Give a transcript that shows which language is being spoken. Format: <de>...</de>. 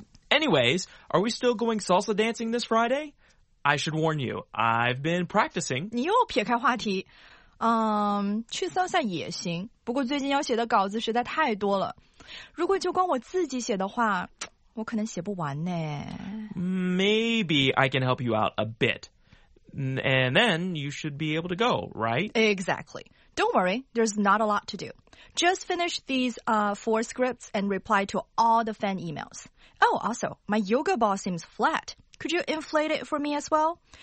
<en>Anyways, are we still going salsa dancing this Friday? I should warn you, I've been practicing.</en> <zh>你又撇开话题。去桑萨也行，不过最近要写的稿子实在太多了。如果就光我自己写的话，我可能写不完呢。</zh> <en>Maybe I can help you out a bit. And then you should be able to go, right? Exactly. Don't worry, there's not a lot to do. Just finish these four scripts and reply to all the fan emails. Oh, also, my yoga ball seems flat. Could you inflate it for me as well?</en>